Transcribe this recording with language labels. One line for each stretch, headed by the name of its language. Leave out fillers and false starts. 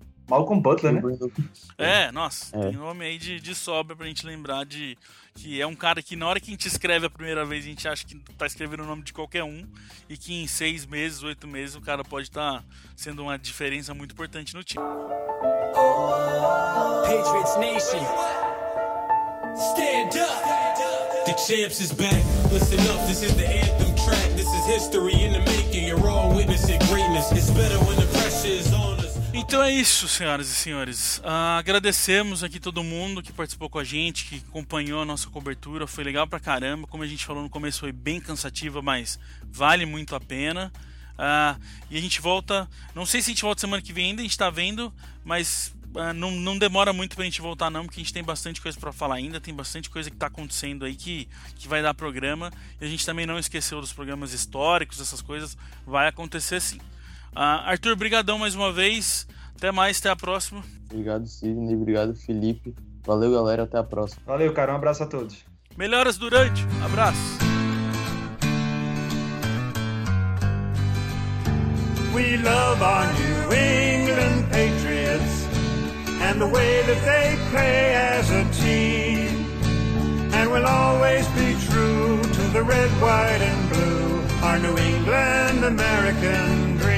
Portuguese: Malcolm Butler, né? É, nossa. Tem nome aí de sobra pra gente lembrar de que é um cara que na hora que a gente escreve a primeira vez, a gente acha que tá escrevendo o nome de qualquer um, e que em 6 meses, 8 meses, o cara pode estar sendo uma diferença muito importante no time.
English: Patriots Nation, stand up. The champs is back. Listen up, this is the anthem track. This is history in the making. You're all witnessing greatness. It's better when the pressure is on.
Portuguese: Então é isso, senhoras e senhores. Agradecemos aqui todo mundo que participou com a gente, que acompanhou a nossa cobertura. Foi legal pra caramba. Como a gente falou no começo, foi bem cansativa, mas vale muito a pena. E a gente volta. Não sei se a gente volta semana que vem ainda, a gente tá vendo, mas não demora muito pra gente voltar, não, porque a gente tem bastante coisa pra falar ainda, tem bastante coisa que tá acontecendo aí que vai dar programa. E a gente também não esqueceu dos programas históricos, essas coisas. Vai acontecer sim. Arthur, brigadão mais uma vez. Até mais, até a próxima. Obrigado, Sidney, obrigado, Felipe. Valeu, galera, até a próxima. Valeu, cara, um abraço a todos. Melhoras durante, abraço.
English: We love our New England Patriots and the way that they play as a team. And we'll always be true to the red, white and blue, our New England American.